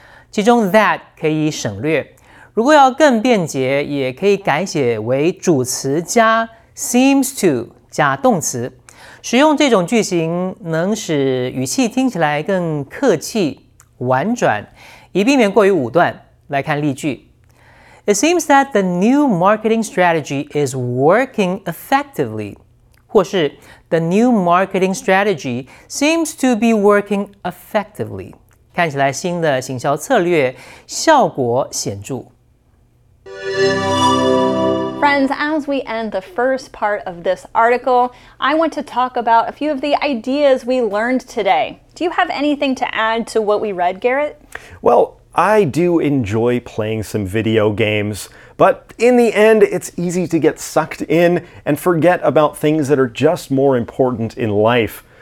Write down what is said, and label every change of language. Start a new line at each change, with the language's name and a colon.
Chinese: 其中 that 可以省略，如果要更便捷，也可以改写为主词加 seems to 加动词。使用这种句型能使语气听起来更客气、婉转，以避免过于武断。来看例句
English: ：It seems that the new marketing strategy is working effectively，
Chinese: 或是
English: The new marketing strategy seems to be working effectively。
Chinese: 看起来新的行销策略效果显著。
English: Friends, as we end the first part of this article, I want to talk about a few of the ideas we learned today. Do you have anything to add to what we read, Garrett? Well, I do enjoy playing some video games, but in the end, it's easy to get sucked in and forget about things that are just more important in life.